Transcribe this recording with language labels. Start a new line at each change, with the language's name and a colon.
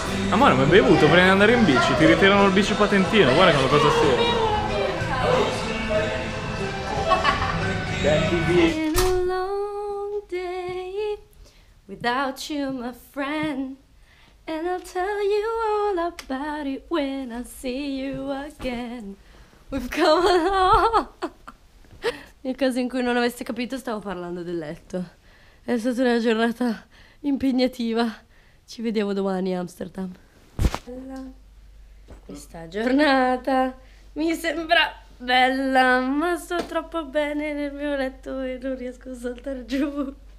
Italian: Amore, ma hai bevuto prima di andare in bici? Ti ritirano il bici patentino, guarda che una cosa sia. Senti
English: been a long day without you my friend. And I'll tell you all about it when I see you again. We've come along.
Italian: Nel caso in cui non avessi capito, stavo parlando del letto. È stata una giornata impegnativa. Ci vediamo domani a Amsterdam. Bella. Questa giornata mi sembra bella, ma sto troppo bene nel mio letto e non riesco a saltare giù.